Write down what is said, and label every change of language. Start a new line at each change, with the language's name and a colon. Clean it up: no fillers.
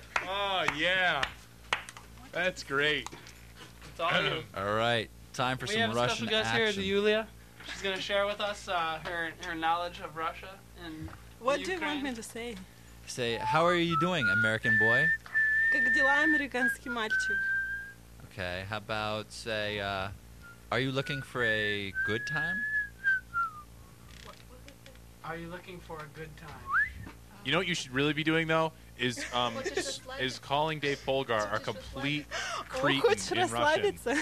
English: Oh, yeah. That's great. It's all you. All right. Time for we some Russian action. We have a special guest here, Yulia. She's going to share with us her knowledge of Russia and what Ukraine. Do you want me to say? Say, how are you doing, American boy?
Russian: Как дела, американский мальчик?
English: Okay, how about, say, are you looking for a good time? Are you looking for a good time? You know what you should really be doing, though, is is calling Dave Polgar a complete cretin in Russian.